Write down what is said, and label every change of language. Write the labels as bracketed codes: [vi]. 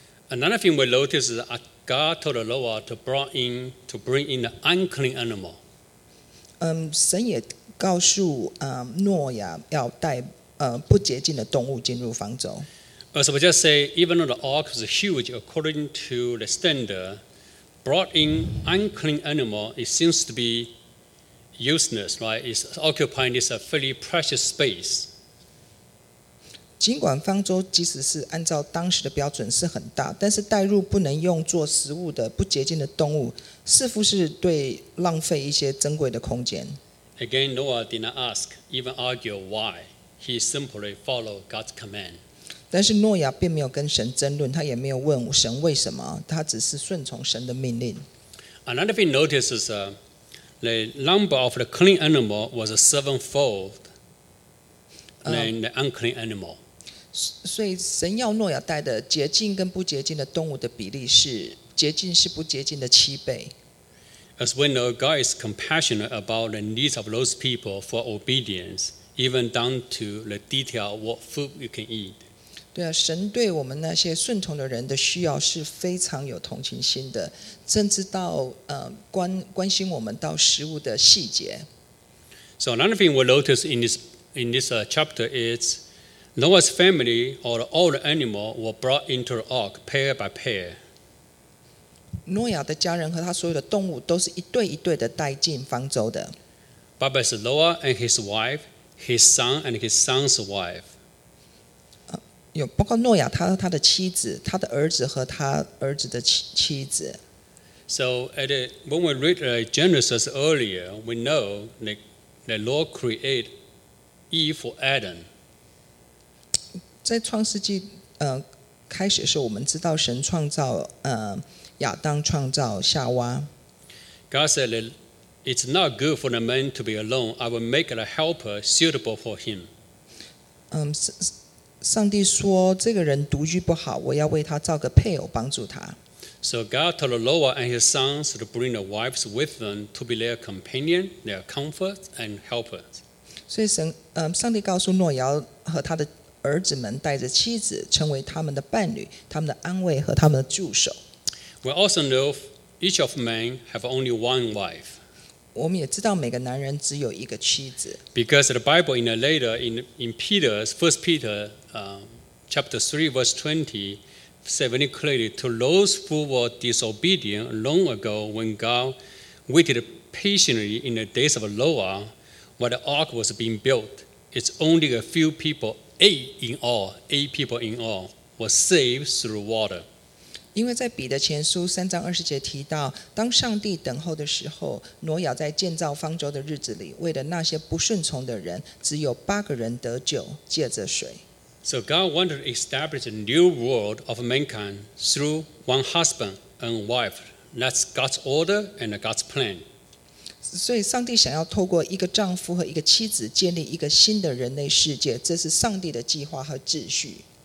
[en] Another thing we notice is God told Noah to bring in the unclean animal. [zh] 神也告诉诺亚要带不洁净的动物进入方舟。 [en] So we just say, even though the ark was huge according to the standard, brought in unclean animal, it seems to be useless, right? It's occupying this fairly precious space. [zh] 尽管方舟即使是按照当时的标准是很大，但是带入不能用作食物的不洁净的动物，似乎是对浪费一些珍贵的空间。 [en] Again, Noah did not ask, even argue why. He simply followed God's command. [zh] 但是诺亚并没有跟神争论，他也没有问神为什么，他只是顺从神的命令。 [en] Another thing notice is the number of the clean animal was sevenfold. And the unclean animal. [zh] 所以神要诺亚带的洁净跟不洁净的动物的比例是洁净是不洁净的七倍。 [en] As we know, God is compassionate about the needs of those people for obedience, even down to the detail of what food you can eat. [zh] 对啊，神对我们那些顺从的人的需要是非常有同情心的，甚至到关心我们到食物的细节。 [en] So another thing we notice in this chapter is Noah's family or all the animals were brought into the ark pair by pair. [zh] 诺亚的家人和他所有的动物都是一对一对的带进方舟的。 [en] Bible says Noah and his wife, his son and his son's wife. [zh] 有包括诺亚他的妻子，他的儿子和他儿子的妻子。 [en] So when we read Genesis earlier, we know that the Lord created. Eve for Adam. [zh] 在创世纪开始的时候，我们知道神创造亚当，创造夏娃。 [en] God said, "It's not good for the man to be alone. I will make a helper suitable for him." [zh] 上帝说这个人独居不好，我要为他造个配偶帮助他。 [en] So God told Noah and his sons to bring their wives with them to be their companion, their comfort, and helper. [zh] 所以上帝告诉诺亚和他的儿子们带着妻子成为他们的伴侣，他们的安慰和他们的助手。 [en] We also know each of men have only one wife. [zh] 我们也知道每个男人只有一个妻子。 [en] Because the Bible in the later, in Peter's, 1 Peter, chapter 3, verse 20, said very clearly, to those who were disobedient long ago when God waited patiently in the days of Noah,When the ark was being built, it's only a few people, eight people in all, were saved through water. [zh] 因为在彼得前书三章二十节提到，当上帝等候的时候，挪亚在建造方舟的日子里，为了那些不顺从的人，只有八个人得救，借着水。 [en] So God wanted to establish a new world of mankind through one husband and wife. That's God's order and God's plan. [zh] 所以上帝想要透过一个丈夫和一个妻子建立一个新的人类世界，这是上帝的计划和秩序。